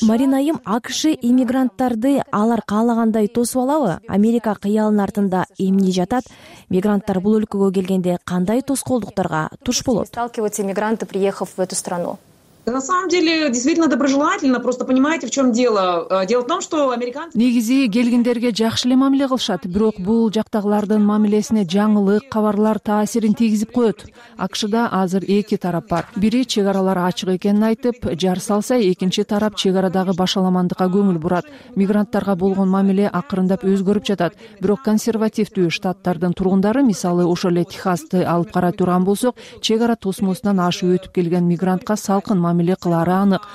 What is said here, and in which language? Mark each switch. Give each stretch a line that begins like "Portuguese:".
Kyrgyz: Марина айым, АКШ иммигранттарды алар каалагандай тосуп алабы? Америка кыялынын артында эмне жатат? Мигранттар бул өлкөгө келгенде кандай тоскоолдуктарга туш болот?
Russian: Сталкиваются мигранты, приехав в эту страну? На самом деле, действительно доброжелательно, просто понимаете, в чем дело? Дело в том, что американцы...
Kyrgyz: Негизи келгендерге жакшы эле мамиле кылышат, бирок бул жактагылардын мамилесине жаңылык, кабарлар таасирин тийгизип коет. АКШ-да азыр эки тарап бар. Бири чек аралар ачык экенин айтып, жар салса, экинчи тарап чек арадагы башаламандыкка көңүл бурат. Мигранттарга болгон мамиле акырындап өзгөрүп жатат. Бирок консервативдүү штаттардын тургундары, мисалы, ошол эле Техасты алып кара турган болсок, чек ара тосмосунан ашып өтүп келген мигрантка салкын мамиле кылары анык.